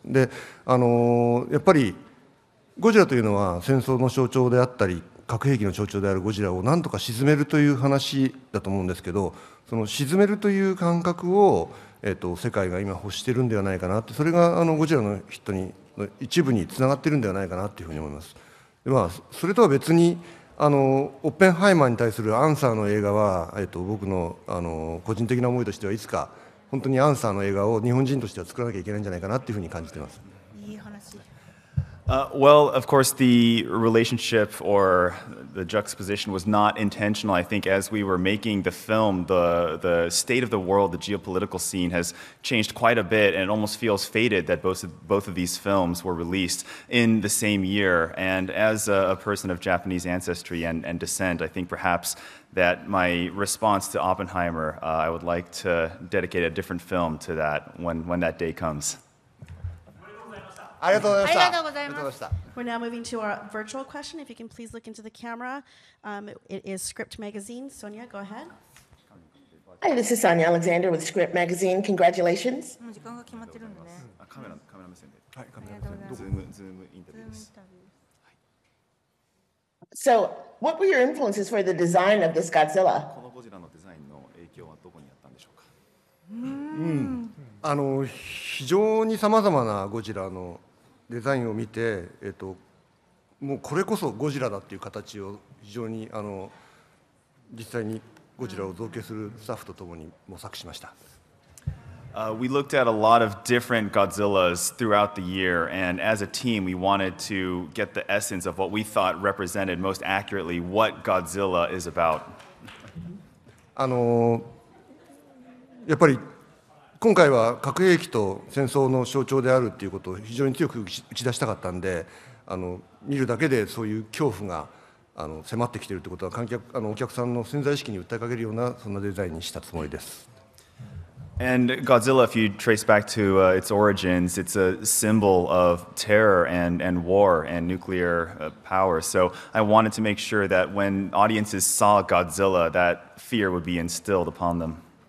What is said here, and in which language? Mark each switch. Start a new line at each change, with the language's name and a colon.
Japanese: で、やっぱりゴジラというのは戦争の象徴であったり核兵器の象徴であるゴジラを何とか沈めるという話だと思うんですけど、その沈めるという感覚を、世界が今欲してるんではないかなって、それがゴジラのヒットの一部につながってるんではないかなというふうに思います。で、まあ、それとは別にオッペンハイマーに対するアンサーの映画は、僕の、個人的な思いとしてはいつか本当にアンサーの映画を日本人としては作らなきゃいけないんじゃないかなというふうに感じています。いい話。
English: Well, of course, the relationship or the juxtaposition was not intentional. I think as we were making the film, the state of the world, the geopolitical scene has changed quite a bit, and it almost feels fated that both of these films were released in the same year. And as a person of Japanese ancestry and descent, I think perhaps that my response to Oppenheimer, I would like to dedicate a different film to that when that day comes.
Japanese: ありがとうございました。ありがとうございました。
English: We're now moving to our virtual question. If you can please look into the camera. It is Script Magazine. Sonia, go ahead. Hi, this is Sonia Alexander with Script Magazine. Congratulations.
Japanese: 時間が決まってるんでね。カメラ目線で。はい、カメラ目線で。ズームインタビューです。
English: So, what were your influences for the design of this Godzilla?
Japanese: このゴジラのデザインの影響はどこにあったんでしょうか？非常にさまざまなゴジラのデザインを見て、もうこれこそゴジラだっていう形を非常に実際にゴジラを造形するスタッフとともに模索しました。
English: We looked at a lot of different Godzillas throughout the year, and as a team, we wanted to get the essence of what we thought represented most accurately what Godzilla is about.
Japanese: やっぱり今回は核兵器と戦争の象徴であるということを非常に強く打ち出したかったんで、見るだけでそういう恐怖が迫ってきているということは観客、お客さんの潜在意識に訴えかけるようなそんなデザインにしたつもりです。
English: And Godzilla, if you trace back to its origins, it's a symbol of terror and war and nuclear power. So I wanted to make sure that when audiences saw Godzilla, that fear would be instilled upon them.